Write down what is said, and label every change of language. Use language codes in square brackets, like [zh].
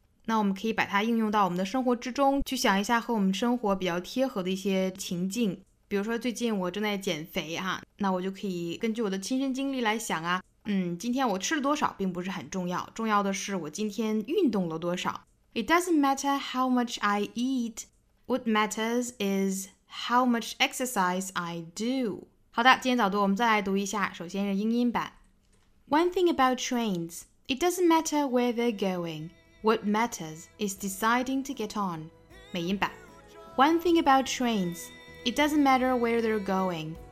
[zh] 那我们可以把它应用到我们的生活之中，去想一下和我们生活比较贴合的一些情境。比如说最近我正在减肥哈，那我就可以根据我的亲身经历来想啊，今天我吃了多少并不是很重要，重要的是我今天运动了多少。 [en] It doesn't matter how much I eat, what matters is how much exercise I do. [zh] 好的，今天早读我们再来读一下，首先是英音版。 [en] One thing about trains, it doesn't matter where they're going. What matters is deciding to get on. [zh] 美音版。 [en] One thing about trains, it doesn't matter where they're going.